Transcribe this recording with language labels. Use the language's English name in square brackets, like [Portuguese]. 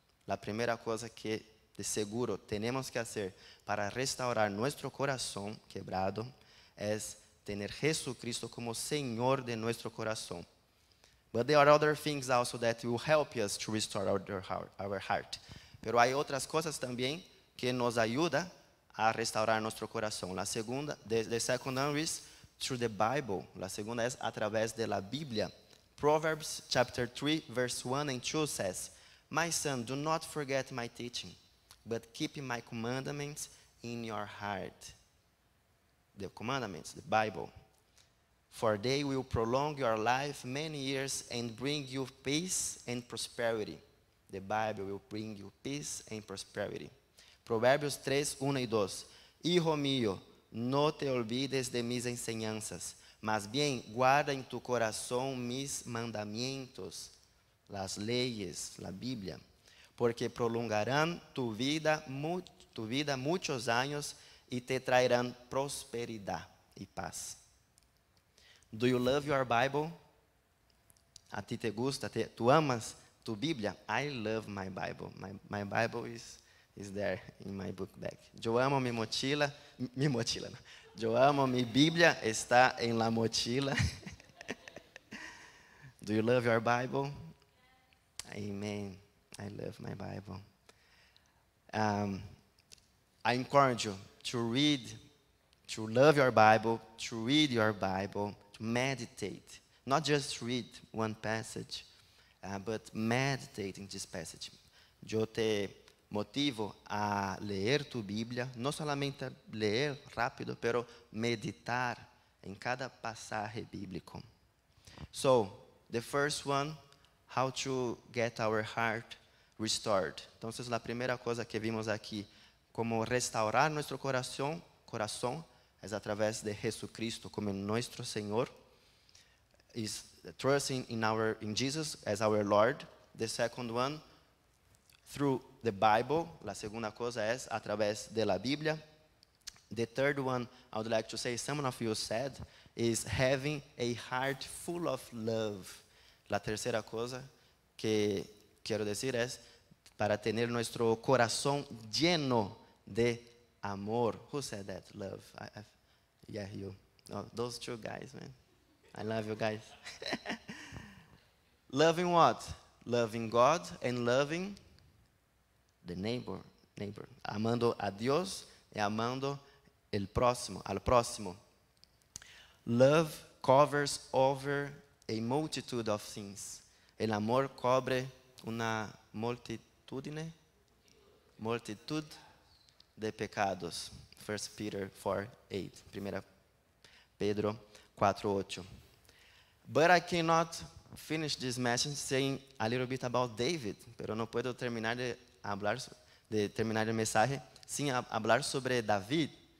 [Spanish] La primera cosa que de seguro tenemos que hacer para restaurar nuestro corazón quebrado es tener Jesucristo como Señor de nuestro corazón. [English] But there are other things also that will help us to restore our heart. [Spanish] Pero hay otras cosas también que nos ayuda a restaurar nuestro corazón. La segunda, [English] the second one is through the Bible. [Spanish] La segunda es a través de la Biblia. [English] Proverbs chapter 3, verse 1 and 2 says, "My son, do not forget my teaching, but keep my commandments in your heart." The commandments, the Bible. "For they will prolong your life many years and bring you peace and prosperity." The Bible will bring you peace and prosperity. [Spanish] Proverbios 3, 1 y 2. "Hijo mío, no te olvides de mis enseñanzas, mas bien guarda en tu corazón mis mandamientos," las leyes, la Biblia, "porque prolongarán tu vida muchos años y te traerán prosperidad y paz." [English] Do you love your Bible? [Spanish] A ti te gusta, tu amas tu Biblia? [English] I love my Bible. My Bible is there in my book bag. [Spanish] Yo amo mi mochila. Yo amo mi Biblia, está en la mochila. [English] Do you love your Bible? Amen. I love my Bible. I encourage you to read, to love your Bible, to read your Bible. Meditate, not just read one passage, but meditate in this passage. [Spanish] Yo te motivo a leer tu Biblia, no solamente leer rápido, pero meditar en cada pasaje bíblico. [English] So, the first one, how to get our heart restored. [Spanish] Entonces, la primera cosa que vimos aquí, como restaurar nuestro corazón, es a través de Jesucristo como nuestro Señor. [English] Is trusting in Jesus as our Lord. The second one, through the Bible. [Spanish] La segunda cosa es a través de la Biblia. [English] The third one, I would like to say, someone of you said, is having a heart full of love. [Spanish] La tercera cosa que quiero decir es para tener nuestro corazón lleno de amor. [English] Who said that? Love. Yeah, you. Oh, those two guys, man. I love you guys. Loving what? Loving God and loving the neighbor. [Spanish] Amando a Dios y amando el próximo, al próximo. [English] Love covers over a multitude of sins. [Spanish] El amor cubre una multitud. multitudine, multitud de pecados. [English] 1 Peter 4, 8. 1 Pedro 4, 8. But I cannot finish this message saying a little bit about David. [Spanish] Pero no puedo terminar de hablar, de terminar el mensaje sin hablar sobre David.